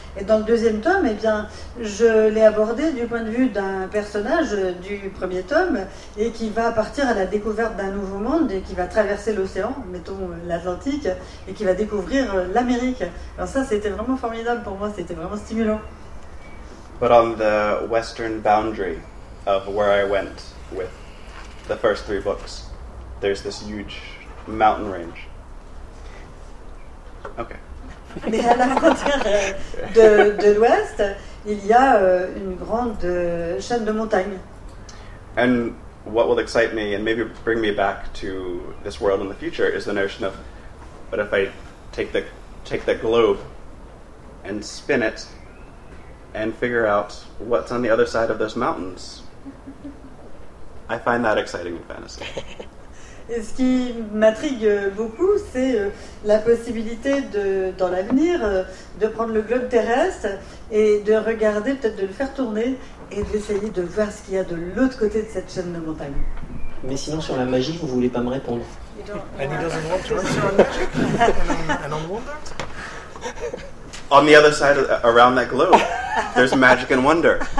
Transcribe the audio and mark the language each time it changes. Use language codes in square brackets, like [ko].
[fr] Et dans le deuxième tome, eh bien, je l'ai abordé du point de vue d'un personnage du premier tome et qui va partir à la découverte d'un nouveau monde et qui va traverser l'océan, mettons l'Atlantique, et qui va découvrir l'Amérique. Alors ça, c'était vraiment formidable pour moi, c'était vraiment stimulant. [en] But on the western boundary of where I went with the first three books, there's this huge mountain range. Okay. [fr] Mais à la frontière de l'Ouest, il y a une grande chaîne de montagnes. [en] And what will excite me and maybe bring me back to this world in the future is the notion of, but if I take the globe and spin it and figure out what's on the other side of those mountains, I find that exciting in fantasy. [fr] Et ce qui m'intrigue beaucoup, c'est la possibilité de, dans l'avenir, de prendre le globe terrestre et de regarder, peut-être de le faire tourner et d'essayer de voir ce qu'il y a de l'autre côté de cette chaîne de montagnes. Mais sinon, sur la magie, vous ne voulez pas me répondre. [en] And he doesn't want to answer on magic and on wonder. On the other side, around that globe, there's magic and wonder.